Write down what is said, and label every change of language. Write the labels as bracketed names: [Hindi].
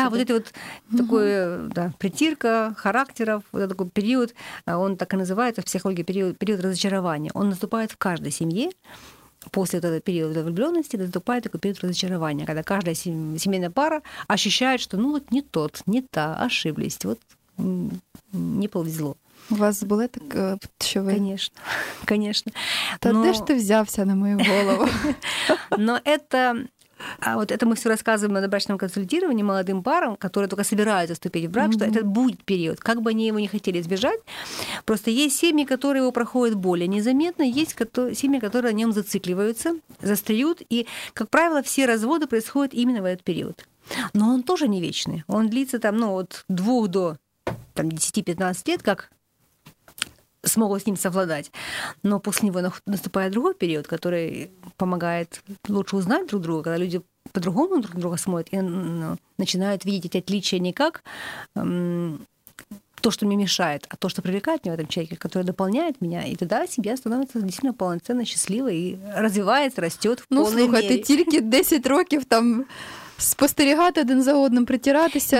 [Russian] Да, вот это вот такое, да, притирка характеров, вот этот такой период, он так и называется в психологии период разочарования. Он наступает в каждой семье. После вот этого периода влюблённости наступает такой период разочарования, когда каждая семейная пара ощущает, что ну вот не тот, не та, ошиблись, вот не повезло. [Ukrainian] У вас було так, що ви... [Russian] Конечно, конечно. [Ukrainian] Та но... де ж ти взявся на мою голову? [Russian] Но это... А вот это мы все рассказываем на брачном консультировании молодым парам, которые только собираются вступить в брак, что это будет период, как бы они его не хотели избежать. Просто есть семьи, которые его проходят более незаметно, есть семьи, которые на нем зацикливаются, застряют, и, как правило, все разводы происходят именно в этот период. Но он тоже не вечный. Он длится там, ну, от 2 до там, 10-15 лет, как смогут с ним совладать. Но после него наступает другой период, который помогает лучше узнать друг друга, когда люди по-другому друг друга смотрят и начинают видеть эти отличия не как то, что мне мешает, а то, что привлекает меня в этом человеке, который дополняет меня, и тогда семья становится действительно полноценно счастливой и развивается, растет в полной [Ukrainian] мере. Ну, слухай, ты тільки 10 років там... спостерігати один за одним, притиратися,